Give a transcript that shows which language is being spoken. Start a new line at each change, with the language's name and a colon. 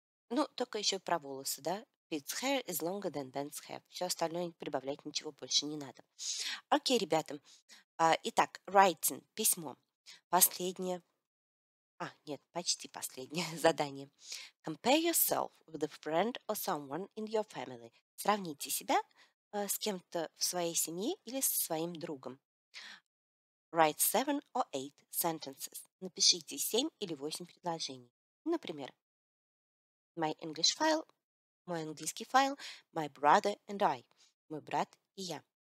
Russian: Ну, только еще про волосы, да?
English: Pete's hair is longer than Ben's hair.
Russian: Все остальное прибавлять ничего больше не надо. Окей, ребята. Итак, writing, письмо. Последнее. А, нет, почти последнее задание.
English: Compare yourself with a friend or someone in your family.
Russian: Сравните себя с кем-то в своей семье или со своим другом.
English: Write 7 or 8 sentences.
Russian: Напишите 7 или 8 предложений. Например,
English: my English file.
Russian: Мой английский файл,
English: my brother and I.
Russian: Мой брат и я.